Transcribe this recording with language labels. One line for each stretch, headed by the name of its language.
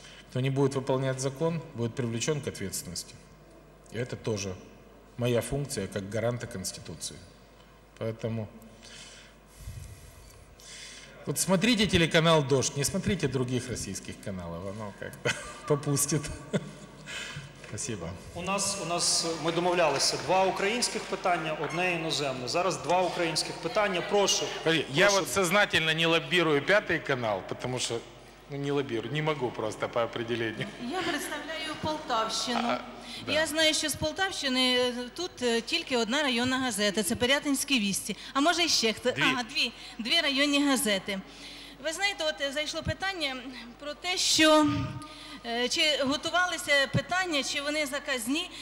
Russian: Кто не будет выполнять закон, будет привлечен к ответственности. И это тоже... моя функция как гаранта Конституции. Поэтому вот смотрите телеканал «Дождь», не смотрите других российских каналов, оно как-то попустит. Спасибо.
Ukrainian: У нас ми домовлялися, два українських питання, одне іноземне. Зараз два українських питання, прошу.
Russian: Я вот сознательно не лоббирую
Ukrainian: п'ятий канал, тому що
Russian: не лоббирую,
Ukrainian: не можу
Russian: просто по определению.
Ukrainian: Я представляю Полтавщину.
Russian: Да.
Ukrainian: Я знаю, що з Полтавщини тут тільки одна районна газета, це Пирятинські вісті. А може ще хто? Дві районні газети. Ви знаєте, от зайшло питання про те, що чи готувалися питання, чи вони заказні.